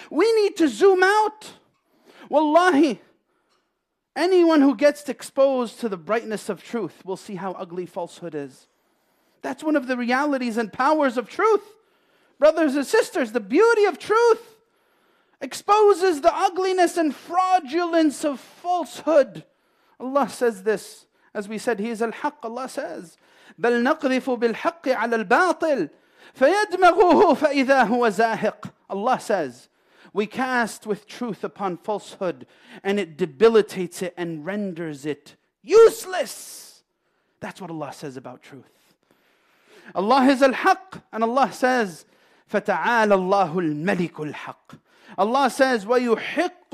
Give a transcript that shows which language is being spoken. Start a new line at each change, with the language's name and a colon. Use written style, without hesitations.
English: We need to zoom out. Wallahi, anyone who gets exposed to the brightness of truth will see how ugly falsehood is. That's one of the realities and powers of truth. Brothers and sisters, the beauty of truth exposes the ugliness and fraudulence of falsehood. Allah says this, as we said, He is al-Haqq. Allah says,
Arabic: بَلْ نَقْذِفُ بِالْحَقِّ عَلَى الْبَاطِلِ فَيَدْمَغُهُ فَإِذَا هُوَ زَاهِقٌ.
English: Allah says, we cast with truth upon falsehood and it debilitates it and renders it useless. That's what Allah says about truth. Allah is al-Haqq, and Allah says,
Arabic: فَتَعَالَى اللَّهُ الْمَلِكُ الْحَقِّ.
English: Allah says,
Arabic: وَيُحِقُّ